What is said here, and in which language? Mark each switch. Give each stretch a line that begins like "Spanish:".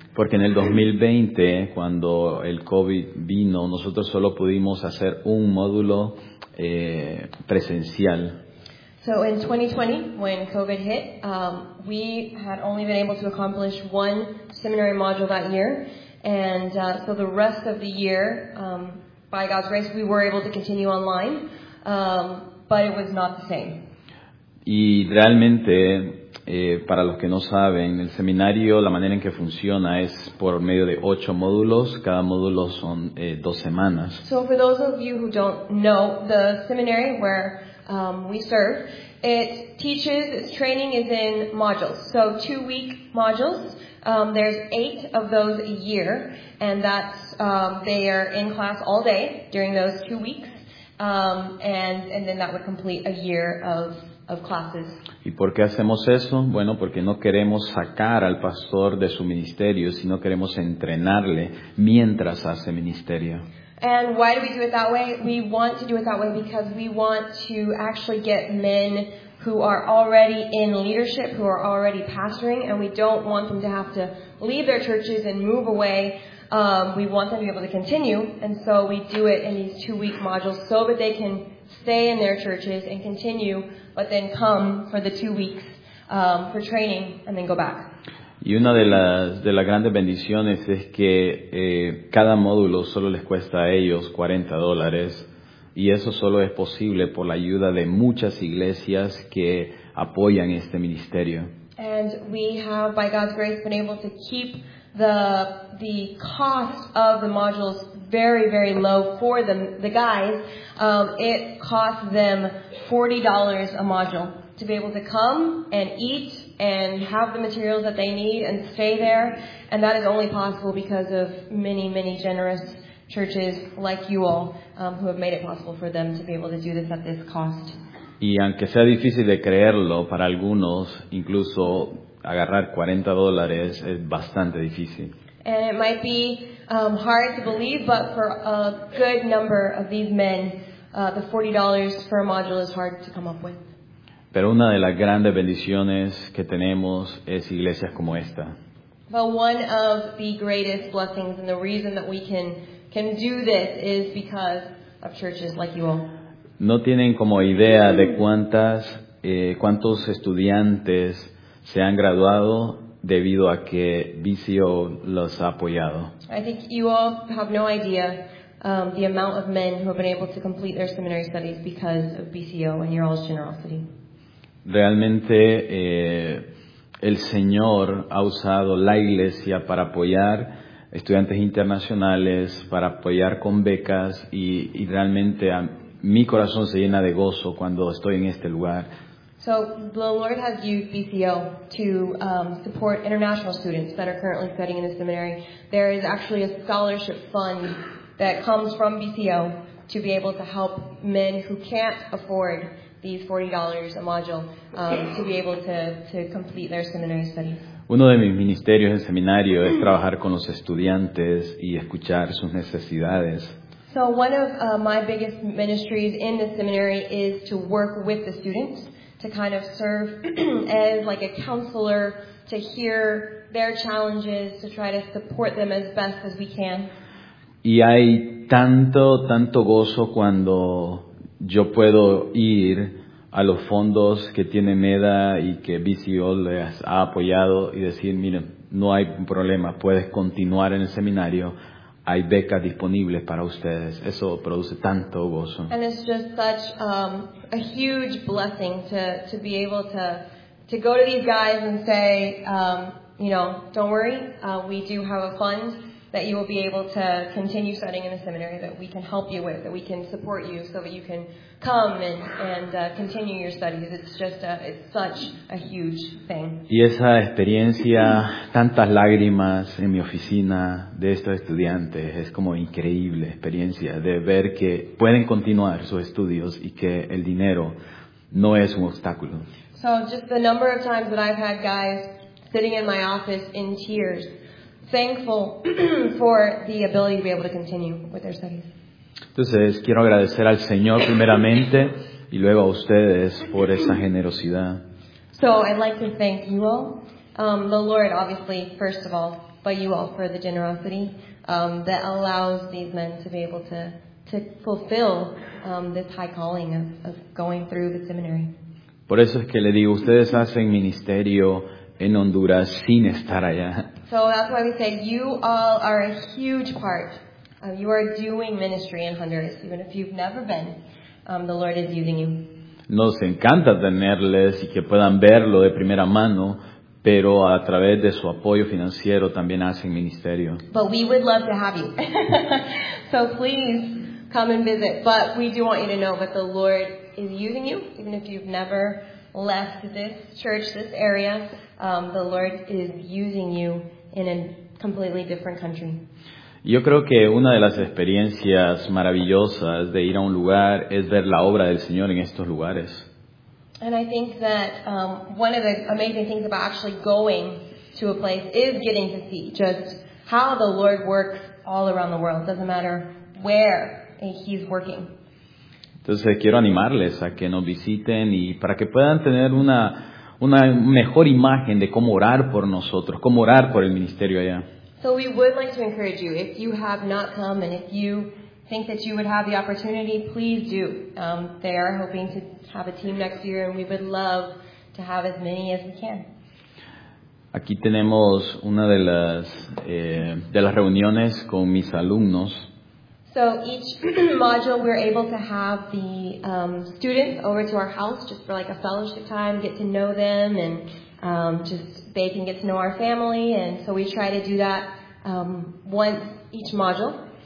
Spanish: Porque en el 2020, cuando el COVID vino, nosotros solo pudimos hacer un módulo presencial.
English: So in 2020, when COVID hit, we had only been able to accomplish one seminary module that year. And so the rest of the year, by God's grace, we were able to continue online, but it was not the same.
Spanish: Y realmente, para los que no saben, el seminario, la manera en que funciona es por medio de 8 módulos. Cada módulo son 2 semanas.
English: So for those of you who don't know, the seminary where we serve, it teaches, its training is in modules. So 2-week modules. There's 8 of those a year, and that's they are in class all day during those 2 weeks, and then that would complete a year of classes.
Spanish: ¿Y por qué hacemos eso? Bueno, porque no queremos sacar al pastor de su ministerio, sino queremos entrenarle mientras hace ministerio.
English: And why do we do it that way? We want to do it that way because we want to actually get men who are already in leadership, who are already pastoring, and we don't want them to have to leave their churches and move away. We want them to be able to continue, and so we do it in these 2-week modules so that they can stay in their churches and continue, but then come for the 2 weeks for training and then go back.
Spanish: Y una de las grandes bendiciones es que cada módulo solo les cuesta a ellos $40, y eso solo es posible por la ayuda de muchas iglesias que apoyan este ministerio.
English: And we have, by God's grace, been able to keep the cost of the modules very, very low for the guys. It costs them $40 a module to be able to come and eat and have the materials that they need and stay there. And that is only possible because of many, many generous churches like you all who have made it possible for them to be able to do this at this cost.
Spanish: Y aunque sea difícil de creerlo, para algunos, incluso agarrar $40 es bastante difícil.
English: And it might be hard to believe, but for a good number of these men, the $40 for a module is hard to come up with.
Spanish: Pero una de las grandes bendiciones que tenemos es iglesias como esta.
English: But one of the greatest blessings and the reason that we can do this is because of churches like you all.
Spanish: No tienen como idea de cuántos estudiantes se han graduado debido a que VCO los ha apoyado.
English: I think you all have no idea the amount of men who have been able to complete their seminary studies because of VCO and your all's generosity.
Spanish: Realmente el Señor ha usado la iglesia para apoyar estudiantes internacionales, para apoyar con becas, y realmente mi corazón se llena de gozo cuando estoy en este lugar.
English: So the Lord has used BCO to support international students that are currently studying in the seminary. There is actually a scholarship fund that comes from BCO to be able to help men who can't afford these $40 a module to be able to complete their seminary studies.
Spanish: Uno de mis ministerios en seminario es trabajar con los estudiantes y escuchar sus necesidades.
English: So one of my biggest ministries in the seminary is to work with the students to kind of serve as like a counselor to hear their challenges, to try to support them as best as we can.
Spanish: Y hay tanto gozo cuando yo puedo ir a los fondos que tiene MEDA y que BCO les ha apoyado y decir, miren, no hay problema, puedes continuar en el seminario, hay becas disponibles para ustedes. Eso produce tanto gozo.
English: And it's just such a huge blessing to be able to go to these guys and say, you know, don't worry, we do have a fund that you will be able to continue studying in the seminary, that we can help you with, that we can support you so that you can come and continue your studies. It's just it's such a huge thing.
Spanish: Y esa experiencia, tantas lágrimas en mi oficina de estos estudiantes, es como increíble experiencia de ver que pueden continuar sus estudios y que el dinero no es un obstáculo.
English: So just the number of times that I've had guys sitting in my office in tears, thankful for the ability to be able to continue with their studies.
Spanish: Entonces, quiero agradecer al Señor primeramente y luego a ustedes por esa generosidad.
English: So I'd like to thank you all, the Lord obviously first of all, but you all for the generosity that allows these men to be able to fulfill this high calling of going through the seminary.
Spanish: Por eso es que le digo, ustedes hacen ministerio en Honduras sin estar allá.
English: So that's why we said you all are a huge part. You are doing ministry in Honduras, even if you've never been. The Lord is using you.
Spanish: Nos encanta tenerles y que puedan verlo de primera mano, pero a través de su apoyo financiero también hacen ministerio.
English: But we would love to have you. So please come and visit. But we do want you to know that the Lord is using you, even if you've never left this church, this area. The Lord is using you in a completely different country.
Spanish: Yo creo que una de las experiencias maravillosas de ir a un lugar es ver la obra del Señor en estos lugares.
English: And I think that one of the amazing things about actually going to a place is getting to see just how the Lord works all around the world. Doesn't matter where He's working.
Spanish: Entonces quiero animarles a que nos visiten y para que puedan tener una mejor imagen de cómo orar por nosotros, cómo orar por el ministerio allá.
English: So we would like to encourage you, if you have not come and if you think that you would have the opportunity, please do. They are hoping to have a team next year and we would love to have as many as we can.
Spanish: Aquí tenemos una de las reuniones con mis alumnos.
English: So each module we're able to have the students over to our house just for like a fellowship time, get to know them and just they can get to know our family, and so we try to do that once each module.